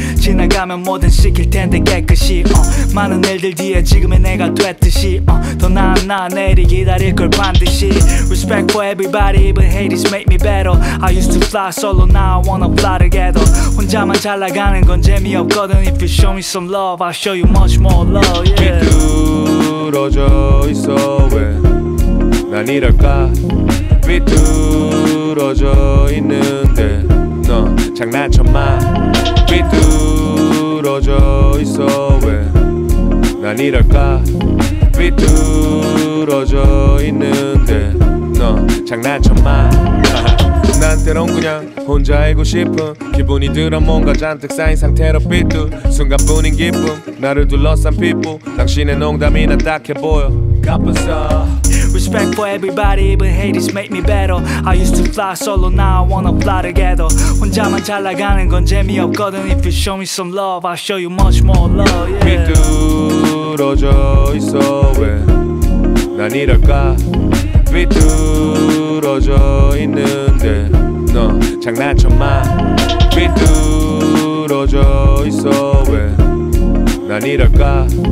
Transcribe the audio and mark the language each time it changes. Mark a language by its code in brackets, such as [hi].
[ko] 지나가면 뭐든 시킬 텐데 깨끗이. 많은 일들 뒤에 지금의 내가 됐듯이. 더 나은 나 내일이 기다릴 걸 반드시. [en] Respect for everybody even haters make me better. I used to fly solo now I wanna fly together. [ko] 혼자만 잘나가는 건 재미없거든. [en] If you show me some love I'll show you much more love yeah. [ko] 삐뚤어져 있어 왜 난 이럴까. 삐뚤어져 있는데 너 장난쳐 마. 삐뚤어져 있어 왜 난 이럴까. 삐뚤어져 있는데 너 장난쳐 마. 난 때론 그냥 혼자이고 싶은 기분이 들어. 뭔가 잔뜩 쌓인 상태로 삐뚤 순간뿐인 기쁨. 나를 둘러싼 people 당신의 농담이 난 딱해 보여. 갚았어. [en] Respect for everybody even haters make me better. I used to fly solo now I wanna fly together. [ko] 혼자만 잘나가는 건 재미없거든. [en] If you show me some love I'll show you much more love yeah. [ko] 삐뚤어져 있어 왜 난 이럴까. 삐뚤어져 있는데 너 장난쳐 마. 삐뚤어져 있어 왜 난 이럴까.